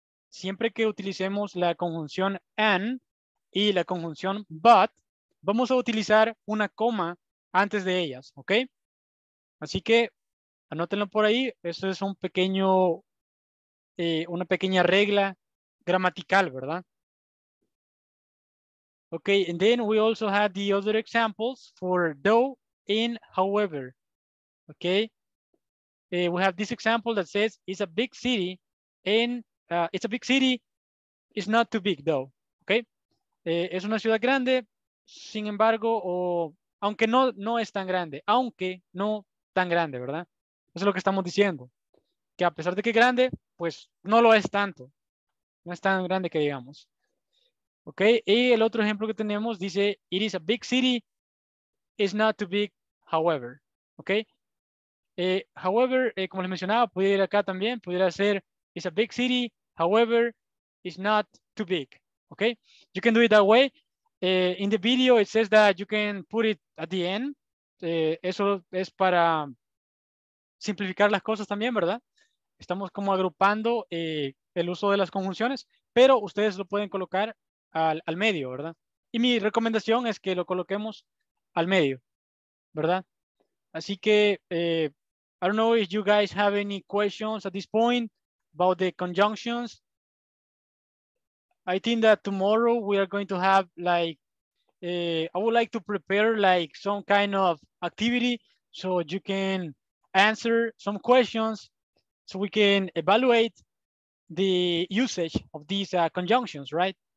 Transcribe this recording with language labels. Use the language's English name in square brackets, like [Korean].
[Spanish] Siempre que utilicemos la conjunción and, y la conjunción but, vamos a utilizar una coma antes de ellas, ¿ok? Así que, anótenlo por ahí, eso es un pequeño, una pequeña regla gramatical, ¿verdad? [English] Ok, and then we also had the other examples for though and however, ¿ok? We have this example that says, it's a big city, and it's a big city, it's not too big though, ¿ok? [Spanish] Es una ciudad grande, sin embargo, o aunque no es tan grande, aunque no tan grande, ¿verdad? Eso es lo que estamos diciendo, que a pesar de que es grande, pues no lo es tanto, no es tan grande que digamos. Ok, y el otro ejemplo que tenemos dice, [English] it is a big city, it's not too big, however. [Spanish] Ok, however, como les mencionaba, pudiera ir acá también, pudiera ser, [English] it's a big city, however, it's not too big. Okay, you can do it that way. In the video, it says that you can put it at the end. [Spanish] Eso es para simplificar las cosas también, ¿verdad? Estamos como agrupando el uso de las conjunciones, pero ustedes lo pueden colocar al medio, ¿verdad? Y mi recomendación es que lo coloquemos al medio, ¿verdad? Así que, [English] I don't know if you guys have any questions at this point about the conjunctions. I think that tomorrow we are going to have like, I would like to prepare like some kind of activity so you can answer some questions so we can evaluate the usage of these conjunctions, right?